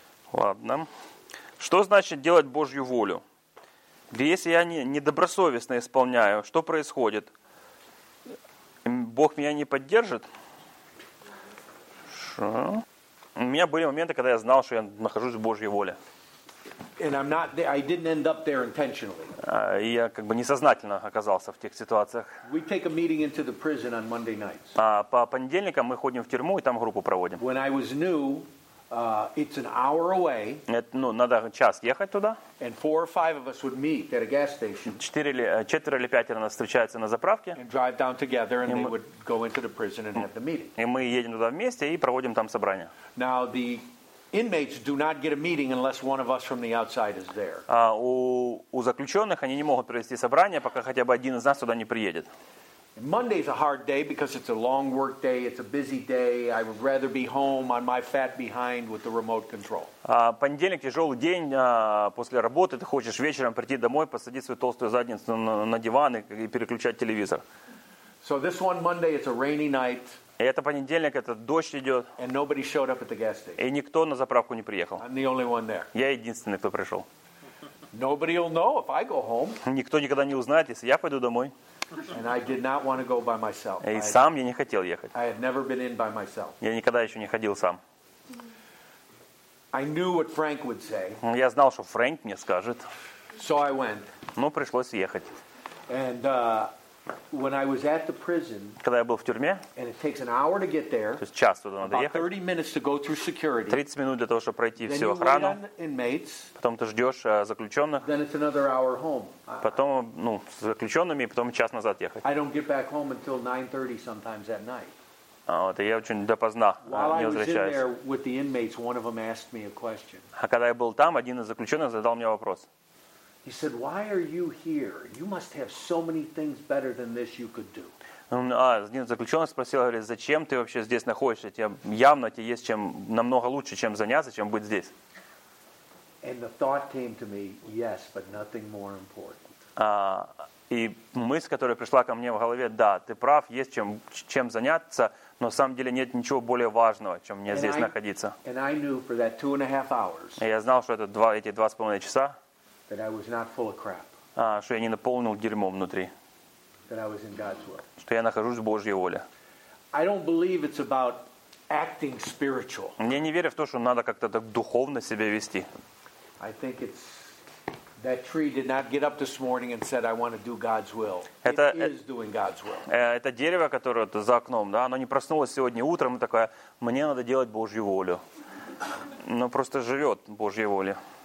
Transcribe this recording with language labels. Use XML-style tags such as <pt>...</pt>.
<ru>Ладно. Что значит делать Божью волю? Если я недобросовестно исполняю, что происходит? Бог меня не поддержит? Что? У меня были моменты, когда я знал, что я нахожусь в Божьей воле.</ru> <en>And I'm not. I didn't end up there intentionally.</en> <ru>Я как бы несознательно оказался в тех ситуациях.</ru> <en>We take a meeting into the prison on Monday nights.</en> <ru>По понедельникам мы ходим в тюрьму и там группу проводим.</ru> <en>When I was new, it's an hour away.</en> <ru>Ну, надо час ехать туда.</ru> <en>And four or five of us would meet at a gas station.</en> <ru>Четверо или пятеро нас встречаются на заправке.</ru> <en>And drive down together, and they would go into the prison and have the meeting.</en> <ru>И мы едем туда вместе и проводим там собрание.</ru> <en>Now the inmates do not get a meeting unless one of us from the outside is there.</en> <ru>У заключенных они не могут провести собрание, пока хотя бы один из нас туда не приедет.</ru> <en>Monday is a hard day because it's a long work day, it's a busy day. I would rather be home on my fat behind with the remote control.</en> <ru>Понедельник тяжелый день после работы, ты хочешь вечером прийти домой, посадить свою толстую задницу на диван и переключать телевизор.</ru> <en>So this one Monday it's a rainy night.</en> <ru>И это понедельник, это дождь идет.</ru> <en>And nobody showed up at the gas station.</en> <ru>И никто на заправку не приехал.</ru> <en>I'm the only one there.</en> <ru>Я единственный, кто пришел.</ru> <en>Nobody will know if I go home.</en> <ru>Никто никогда не узнает, если я пойду домой.</ru> <en>And I did not want to go by myself.</en> <ru>И сам я не хотел ехать.</ru> <en>I had never been in by myself.</en> <ru>Я никогда еще не ходил сам.</ru> <en>I knew what Frank would say.</en> <ru>Я знал, что Фрэнк мне скажет.</ru> <en>So I went.</en> <ru>Но пришлось ехать.</ru> <en>And, when I was at the prison,</en> <ru>когда я был в тюрьме,</ru> <en>and it takes an hour to get there,</en> <ru>то есть час туда надо ехать,</ru> <en>30 minutes to go through security,</en> <ru>30 минут для того, чтобы пройти всю охрану,</ru> <en>inmates,</en> <ru>потом ты ждешь заключенных,</ru> <en>then it's another hour home.</en> <ru>Потом ну с заключенными, потом час назад ехать.</ru> <en>I don't get back home until 9:30 sometimes at night.</en> <ru>Вот, и я очень допоздна не возвращаюсь.</ru> <en>While I was in there with the inmates, one of them asked me a question.</en> <ru>А когда я был там, один из заключенных задал мне вопрос.</ru> <en>He said, "Why are you here? You must have so many things better than this you could do."</en> <ru>Один заключенный спросил, говорит, зачем ты вообще здесь находишься? Тебе явно тебе есть чем намного лучше, чем заняться, чем быть здесь.</ru> <en>And the thought came to me, yes, but nothing more important.</en> <ru>И мысль, которая пришла ко мне в голове, да, ты прав, есть чем заняться, но на самом деле нет ничего более важного, чем мне здесь находиться.</ru> <en>And I knew for that 2.5 hours.</en> <ru>Я знал, что это эти 2.5 часа.</ru> <en>That I was not full of crap.</en> <ru>Что я не наполнил дерьмом внутри.</ru> <en>That I was in God's will.</en> <ru>Что я нахожусь в Божьей воле.</ru> <en>I don't believe it's about acting spiritual.</en> <ru>Я не верю в то, что надо как-то так духовно себя вести.</ru> <en>I think it's that tree did not get up this morning and said, "I want to do God's will." It is doing God's will.</en> <ru>Это дерево, которое за окном, да, оно не проснулось сегодня утром и такое: "Мне надо делать Божью волю." Но просто живет Божьей воле.</ru>